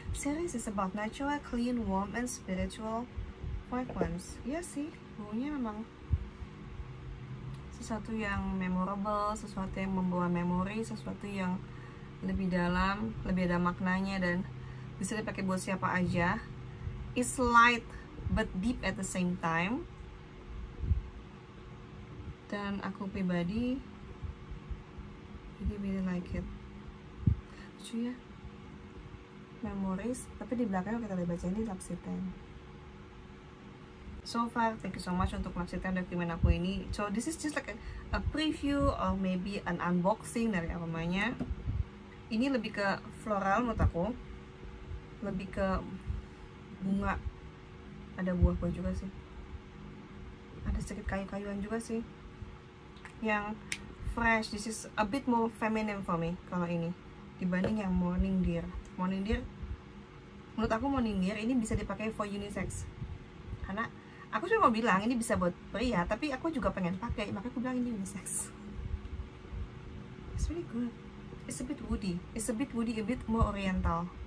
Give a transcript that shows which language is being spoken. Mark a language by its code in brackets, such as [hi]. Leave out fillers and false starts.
[en] Series is about natural, clean, warm, and spiritual fragrance. [id] Iya sih, baunya memang sesuatu yang memorable, sesuatu yang membawa memori, sesuatu yang lebih dalam, lebih ada maknanya, dan bisa dipakai buat siapa aja. [en] It's light, but deep at the same time. [id] Dan aku pribadi, [en] really like it. [id] Lucu ya? Memories, tapi di belakangnya kita lihat baca ini L'Occitane. [en] So far, thank you so much [id] untuk L'Occitane dokumen aku ini. [en] So this is just like a preview or maybe an unboxing [id] dari aromanya. Ini lebih ke floral menurut aku, lebih ke bunga, ada buah-buah juga sih, ada sedikit kayu-kayuan juga sih, yang fresh. [en] This is a bit more feminine for me [id] kalau ini dibanding yang [en] Morning Deer. [id] Morning Deer, menurut aku Morning Deer ini bisa dipakai [en] for unisex. [id] Karena aku cuma mau bilang ini bisa buat pria, tapi aku juga pengen pakai, makanya aku bilang ini unisex. [en] It's really good. It's a bit woody. It's a bit woody, a bit more oriental.